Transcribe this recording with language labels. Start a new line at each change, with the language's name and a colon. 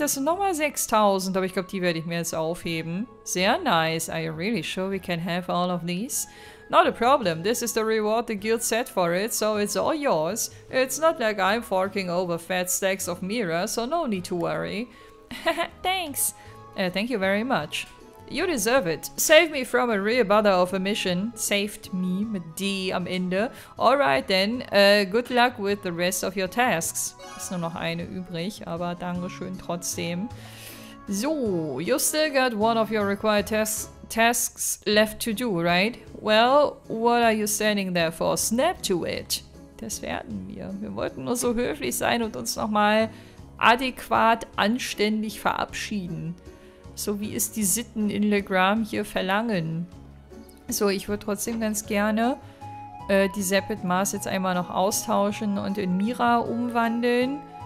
German: Das sind nochmal 6.000, aber ich glaube, die werde ich mir jetzt aufheben. Sehr nice.
English: Are you really sure we can have all of these? Not a problem. This is the reward the guild set for it, so it's all yours. It's not like I'm forking over fat stacks of Mira, so no need to worry. Thanks. Thank you very much. You deserve it. Save me from a real bother of a mission. Saved me
German: mit D am Ende.
English: Alright then, good luck with the rest of your tasks.
German: Ist nur noch eine übrig, aber Dankeschön trotzdem.
English: So, you still got one of your required tasks left to do, right? Well, what are you standing there for? Snap to it.
German: Das werden wir. Wir wollten nur so höflich sein und uns nochmal adäquat anständig verabschieden. So wie es die Sitten in Le Gram hier verlangen. So, ich würde trotzdem ganz gerne die Zepid Mars jetzt einmal noch austauschen und in Mira umwandeln.